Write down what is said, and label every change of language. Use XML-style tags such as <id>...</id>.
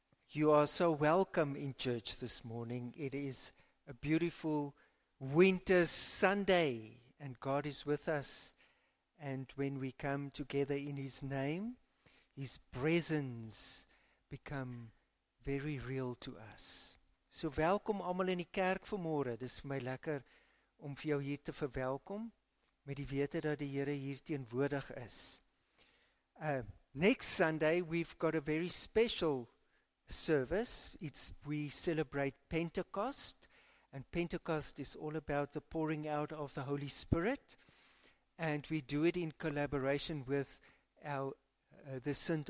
<en>You are so welcome in church this morning. It is a beautiful winter Sunday, and God is with us. And when we come together in His name, His presence become very real to us.</en> <af>So welkom allemaal in die kerk vanmôre. Dis vir my lekker om vir jou hier te verwelkom met die wete dat die Here hier teenwoordig is.</af> <en>Next Sunday we've got a very special service. We celebrate Pentecost, and Pentecost is all about the pouring out of the Holy Spirit, and we do it in collaboration with the St.</en>